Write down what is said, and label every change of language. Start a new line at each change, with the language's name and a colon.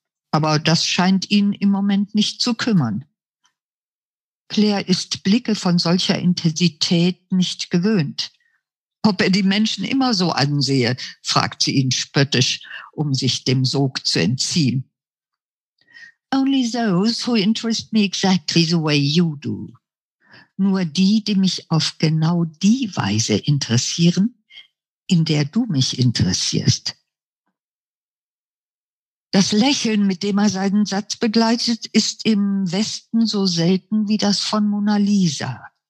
German: Aber das scheint ihn im Moment nicht zu kümmern. Claire ist Blicke von solcher Intensität nicht gewöhnt. Ob er die Menschen immer so ansehe, fragt sie ihn spöttisch, um sich dem Sog zu entziehen.
English: Only those who interest me exactly the way you do.
German: Nur die, die mich auf genau die Weise interessieren, in der du mich interessierst. Das Lächeln, mit dem er seinen Satz begleitet, ist im Westen so selten wie das von Mona Lisa.